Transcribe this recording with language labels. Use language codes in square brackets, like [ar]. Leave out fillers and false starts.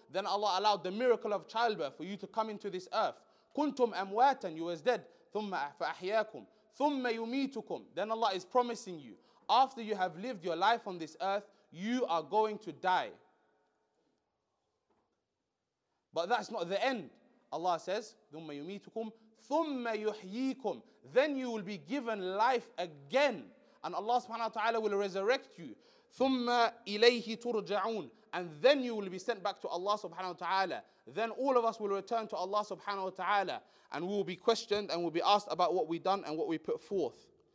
[en] Then Allah allowed the miracle of childbirth for you to come into this earth. [ar] كُنْتُمْ أَمْوَاتًا, [en] you was dead. [ar] ثُمَّ فَأَحْيَاكُمْ ثُمَّ يُمِيتُكُمْ. [en] Then Allah is promising you, after you have lived your life on this earth, you are going to die. But that's not the end. Allah says, [ar] ثُمَّ يُمِيتُكُمْ ثُمَّ يُحْيِيكُمْ. [en] Then you will be given life again. And Allah subhanahu wa ta'ala will resurrect you. [ar] ثُمَّ إِلَيْهِ تُرْجَعُونَ. [en] And then you will be sent back to Allah subhanahu wa ta'ala. Then all of us will return to Allah subhanahu wa ta'ala. And we will be questioned and we will be asked about what we've done and what we put forth.